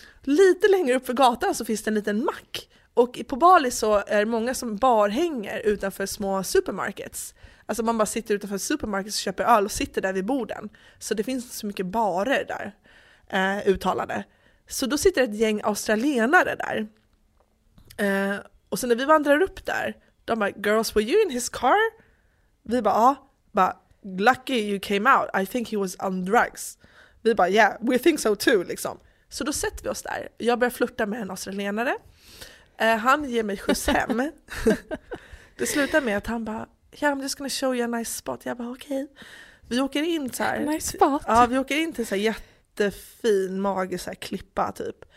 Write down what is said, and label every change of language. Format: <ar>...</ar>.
<sv>Lite längre upp för gatan så finns det en liten mack. Och på Bali så är det många som bara hänger utanför små supermarkets. Alltså man bara sitter utanför supermarkets och köper öl och sitter där vid borden. Så det finns så mycket barer där, uttalade. Så då sitter ett gäng australienare där. Och sen när vi vandrar upp där, de bara,</sv> <en>girls, were you in his car?</en> <sv>Vi bara, ja.</sv> <en>Lucky you came out. I think he was on drugs.</en> <sv>Vi bara,</sv> <en>yeah, we think so too.</en> <sv>Liksom. Så då sätter vi oss där. Jag börjar flirta med en australienare. Han ger mig skjuts hem. Det slutar med att han bara,</sv> <en>yeah, I'm just gonna show you a nice spot.</en> <sv>Jag bara, okej. Okay. Vi åker in så här.</sv> <en>Nice spot.</en> <sv>Ja, vi åker in till så här jättefin magisk så här klippa typ.</sv>